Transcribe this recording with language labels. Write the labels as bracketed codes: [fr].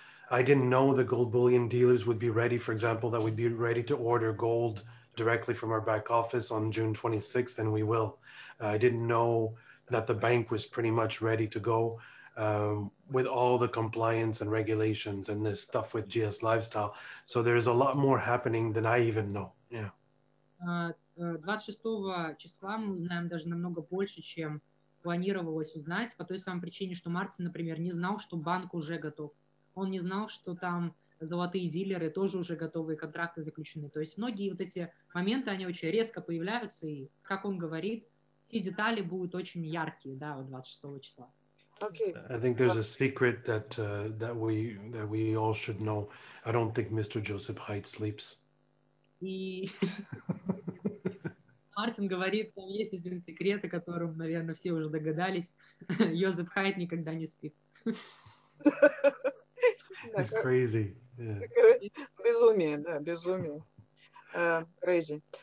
[en] I didn't know the gold bullion dealers would be ready, for example, that we'd be ready to order gold directly from our back office on June 26th, and we will. I didn't know that the bank was pretty much ready to go with all the compliance and regulations and this stuff with GS Lifestyle. So there's a lot more happening than I even know. Yeah. [ru] 26-го числа мы узнаем даже намного больше, чем планировалось узнать, по той самой причине, что Мартин, например, не знал, что банк уже готов. Он не знал, что там золотые дилеры тоже уже готовы, контракты заключены. То есть многие вот эти моменты, они очень резко появляются, и, как он говорит, все детали будут очень яркие, да, 26-го числа. [en] Okay. I think there's a secret that we all should know. I don't think Mr. Joseph Hyde sleeps. [ru] И Мартин говорит, там есть один секрет, о котором, наверное, все уже догадались. Йозеф Хайт никогда не спит. [en] It's crazy. Yeah. [ru] Безумие, да, безумие. [en] Crazy.